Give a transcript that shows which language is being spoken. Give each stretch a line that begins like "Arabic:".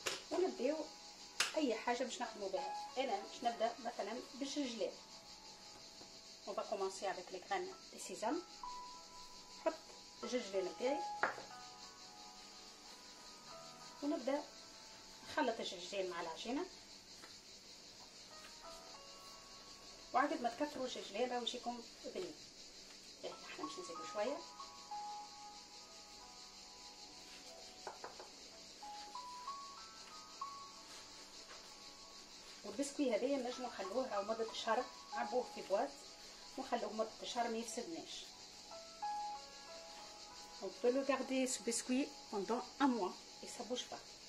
Arabic: ونبداو اي حاجه باش نخدموا بها. انا باش نبدا مثلا بالجلاب.
French: On va commencer avec les graines de sésame. Hop, je vais le faire. On a bien.
Arabic: خلط الجرجير مع العجينة، وعقد ما تكثروا الجرجير ويجيكم بني. احنا مش نزيدوا شوية. والبسكوي هذايا نجمو نخلوه على مدة شهر، عبوه في بواط وخلوه مدة شهر ما يفسدناش.
French: On peut le garder ce biscuit pendant un mois et ça bouge pas.